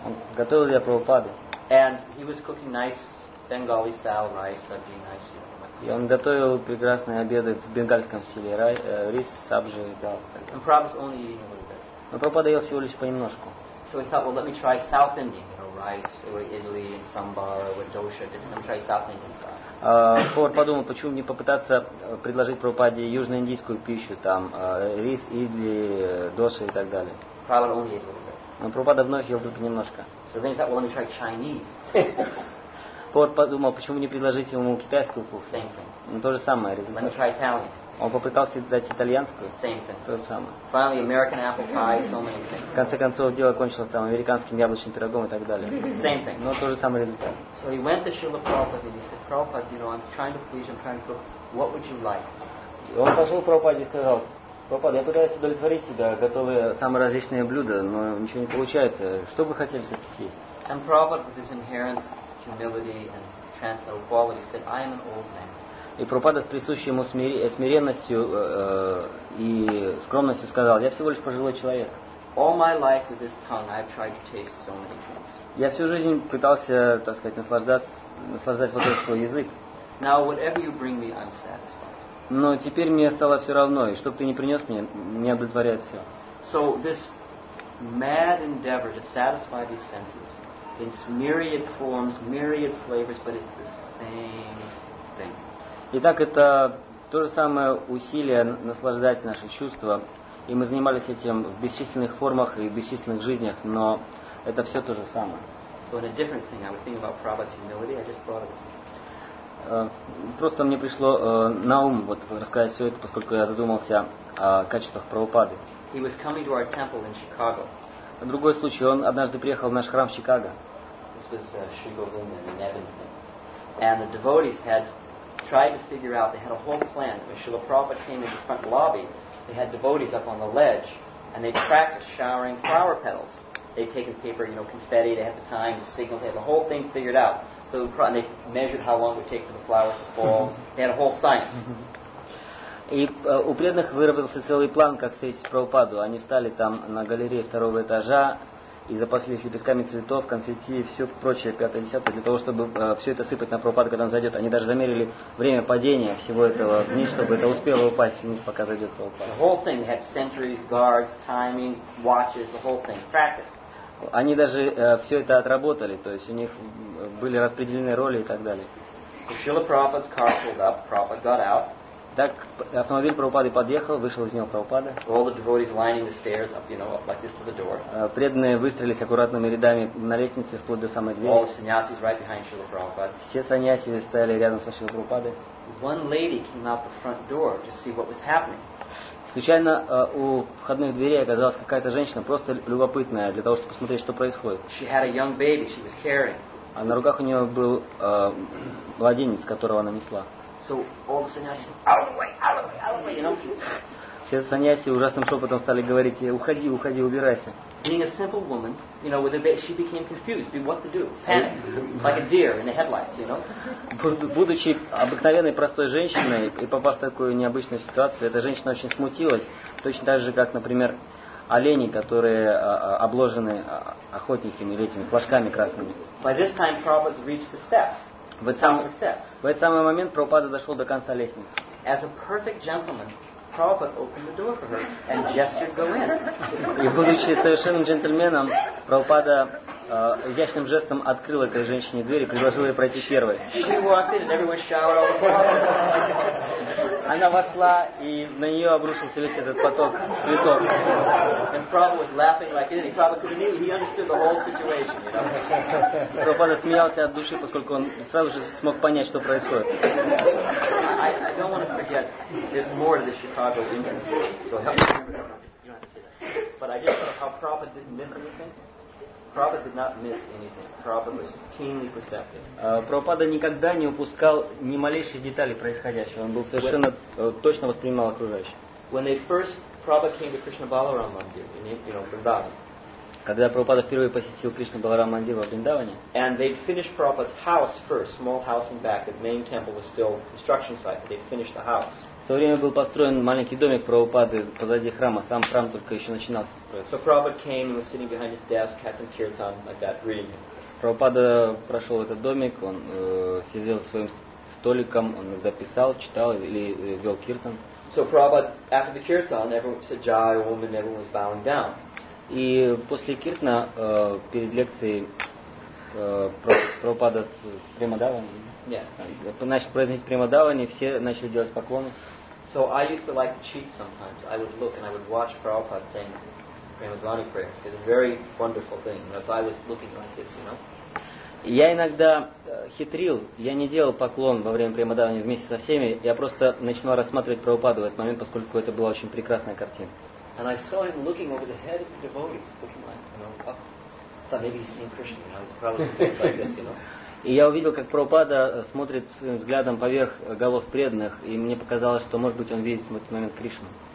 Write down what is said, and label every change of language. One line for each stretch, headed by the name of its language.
Russian: Он готовил для Прабхупады.
English: And he was cooking nice Bengali style rice, sabji, nice soup.
Russian: И он готовил прекрасные обеды в бенгальском стиле. Рис, сабжи, дал. Но Прабхупада ел всего лишь понемножку.
English: So he thought, well, let me try South Indian, you know, rice, or idli, and sambar, or dosha, let me try South Indian style.
Russian: Повар подумал, почему не попытаться предложить Прабхупаде южноиндийскую пищу, там, рис, идли, доша и так далее.
English: Prabhupada only ate a little bit.
Russian: Но Прабхупада вновь ел только немножко.
English: So then he thought, well, let me try Chinese.
Russian: Повод подумал, почему не предложить ему китайскую кухню?
English: Same thing.
Russian: Ну, то же самое результат.
English: Let me try Italian.
Russian: Он попытался дать итальянскую.
English: Same thing.
Russian: То же самое.
English: Finally, American apple pie, so many things.
Russian: В конце концов, дело кончилось там американским яблочным пирогом и так далее.
English: Same thing.
Russian: Но то же самое результат.
English: So he went to Srila Prabhupada and he said, Prabhupada, you know, I'm trying to please, I'm trying to cook. What would you like?
Russian: Он пошел к Прабхупаде и сказал, Прабхупада, я пытаюсь удовлетворить тебя, готовые самые различные блюда, но ничего не получается. Что бы хотели все-таки съесть?
English: And Prabhupada, with his inherent humility and transcendental quality, said, I am an old man.
Russian: И Прабхупада с присущей ему смиренностью и скромностью сказал, я всего лишь пожилой человек.
English: All my life with this tongue, I've tried to taste so many things.
Russian: Я всю жизнь пытался, так сказать, наслаждать вот этот свой язык.
English: Now, whatever you bring me, I'm satisfied.
Russian: Но теперь мне стало все равно, и что бы ты ни принес мне, мне удовлетворяет все.
English: So this mad endeavor to satisfy these senses, it's myriad forms, myriad flavors, but it's the same thing.
Russian: Итак, это то же самое усилие наслаждать наши чувства, и мы занимались этим в бесчисленных формах и в бесчисленных жизнях, но это все то же самое.
English: So in a different thing, I was thinking about Prabhupada's humility, I just thought of this.
Russian: Просто мне пришло на ум вот рассказать все это, поскольку я задумался о качествах Прабхупады.
English: He was coming to our temple in Chicago.
Russian: Другой случай, он однажды приехал в наш храм в Чикаго.
English: This was Sri Govindan in Evanston. And the devotees had tried to figure out, they had a whole plan. When Srila Prabhupada came into the front lobby, they had devotees up on the ledge, and they practiced showering flower petals. They'd taken paper, you know, confetti, they had the time, the signals, they had the whole thing figured out. So they measured how long it would take for the flowers to fall. They had a whole science.
Russian: И у преданных выработался целый план, как встретить Прабхупаду. Они встали там на галерее второго этажа и запаслись лепестками цветов, конфетти и все прочее, пятое, десятое, для того, чтобы все это сыпать на Прабхупаду, когда он зайдет. Они даже замерили время падения всего этого вниз, чтобы это успело упасть вниз, пока зайдет Прабхупада.
English: The whole thing, they had sentries, guards, timing, watches, the whole thing, practiced.
Russian: Они даже все это отработали, то есть у них были распределены роли и так далее.
English: So Srila Prabhupada's car pulled up, Prabhupada got out.
Russian: Так автомобиль Прабхупады подъехал, вышел из него Прабхупада.
English: All the devotees lining the stairs up, you know, up like this to the door.
Russian: Преданные выстроились аккуратными рядами на лестнице вплоть до самой двери.
English: All the sannyasis right behind Srila Prabhupada.
Russian: Все саньяси стояли рядом со Шрилой Прабхупадой.
English: One lady came out the front door to see what was happening.
Russian: Случайно у входных дверей оказалась какая-то женщина, просто любопытная, для того, чтобы посмотреть, что происходит.
English: She had a young baby she was carrying.
Russian: А на руках у нее был младенец, которого она несла.
English: So all the sannyasis, out of the way, out of the way, out of the way, you know?
Russian: Все саньяси ужасным шепотом стали говорить, уходи, уходи, убирайся.
English: Being a simple woman, you know, with a bit, she became confused, what to do, panicked, like a deer in the headlights, you know.
Russian: Будучи обыкновенной простой женщиной и попав в такую необычную ситуацию, эта женщина очень смутилась, точно так же, как, например, олени, которые обложены охотниками или этими флажками красными.
English: By this time, Prabhupada reached the steps.
Russian: В этот самый момент Прабхупада дошел до конца лестницы.
English: As a perfect gentleman, Prabhupada opened the door for her and gestured go in.
Russian: И будучи совершенным джентльменом, Прабхупада изящным жестом открыл этой женщине дверь и предложил ей пройти первой.
English: She walked in and everyone shouted.
Russian: Она вошла, и на нее обрушился весь этот поток цветов.
English: And Prabhupada was laughing like anything. Prabhupada could immediately, he understood the whole situation, you know.
Russian: Прабхупада смеялся от души, поскольку он сразу же смог понять, что происходит.
English: I don't want to forget, there's more to the Chicago entrance. So help me remember. You don't have to say that. But I just thought how Prabhupada didn't miss anything. Prabhupada did not miss anything. Prabhupada was keenly perceptive.
Russian: Прабхупада никогда не упускал ни малейшей детали происходящего. Он был совершенно точно воспринимал окружающее.
English: When they first Prabhupada came to Krishna Balaram Mandir, in, you know, Vrindavan.
Russian: Когда Прабхупада впервые посетил Кришна Баларам Мандир во Вриндаване.
English: And they finished Prabhupada's house first, small house in back. The main temple was still construction site, but they finished the house.
Russian: В то время был построен маленький домик Прабхупады позади храма. Сам храм только еще начинался.
English: So Prabhupada came and was sitting behind his desk, had some kirtan like that, reading him.
Russian: Прабхупада прошел этот домик, он сидел своим столиком, он иногда писал, читал или вел киртан.
English: So Prabhupada, after the kirtan, everyone said jai, om, and everyone was bowing down.
Russian: И после киртана, перед лекцией, Прабхупада с премадаваном, начал произносить премадаване, все начали делать поклоны.
English: So I used to like to cheat sometimes. I would look and I would watch Prabhupada saying Premadvani prayers, because it's a very wonderful thing. You know, so I was looking like this, you know.
Russian: Я иногда хитрил, я не делал поклон во время Премадавани вместе со всеми, я просто начинал рассматривать Прабхупаду в этот момент, поскольку это была очень прекрасная картина.
English: And I saw him looking over the head of the devotees, looking like, you know, thought maybe he's seeing Krishna, you know, he's probably like this, you know.
Russian: И я увидел, как Прабхупада смотрит взглядом поверх голов преданных, и мне показалось, что, может быть, он видит в этот момент Кришну.